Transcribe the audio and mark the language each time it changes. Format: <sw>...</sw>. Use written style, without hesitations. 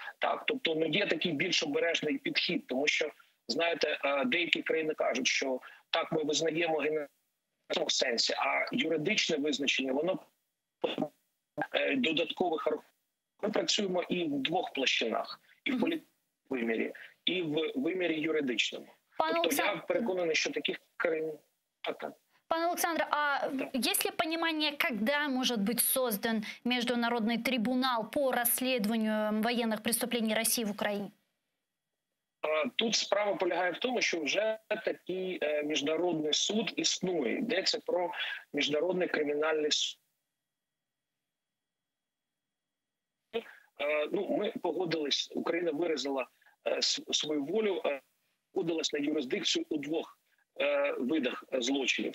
<uk>Так, тобто не є такий більш обережний підхід, тому що, знаєте, деякі країни кажуть, що так, ми визнаємо геноцид в сенсі, а юридичне визначення, воно додаткових рахунків. Ми працюємо і в двох площинах, і в політичному вимірі, і в вимірі юридичному. Тобто я переконаний, що таких країн так.</uk> <ru>Пан Олександр, а есть ли понимание, когда может быть создан международный трибунал по расследованию военных преступлений России в Украине?</ru> <uk>Тут справа полягає в тому, що вже такий міжнародний суд існує. Йдеться про міжнародний кримінальний суд. Ну, ми погодились, Україна виразила свою волю, погодилась на юрисдикцію у двох видах злочинів.</uk>